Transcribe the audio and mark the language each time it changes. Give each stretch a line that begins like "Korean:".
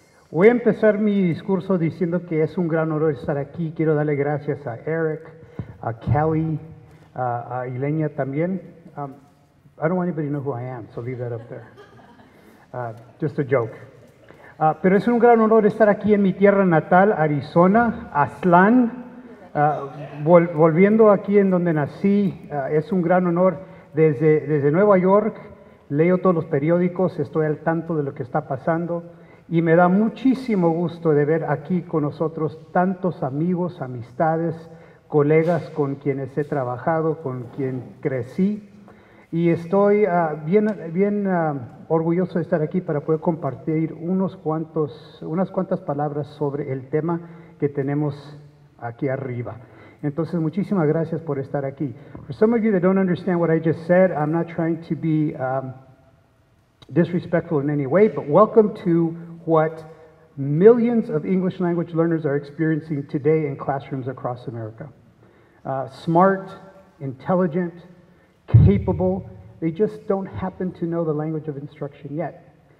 Spanish: Voy a empezar mi discurso diciendo que es un gran honor estar aquí. Quiero darle gracias a Eric, a Kelly, a Ileña también.
English: I don't want anybody to know who I am, so leave that up there. Just a joke.
Spanish: Pero es un gran honor estar aquí en mi tierra natal, Arizona, Aztlán. Volviendo aquí en donde nací, es un gran honor desde Nueva York. Leo todos los periódicos, estoy al tanto de lo que está pasando y me da muchísimo gusto de ver aquí con nosotros tantos amigos, amistades, colegas con quienes he trabajado, con quien crecí y estoy bien orgulloso de estar aquí para poder compartir unas cuantas palabras sobre el tema que tenemos aquí arriba. Entonces, muchísimas gracias por estar aquí.
English: For some of you that don't understand what I just said, I'm not trying to be disrespectful in any way, but welcome to what millions of English language learners are experiencing today in classrooms across America. Smart, intelligent, capable, they just don't happen to know the language of instruction yet.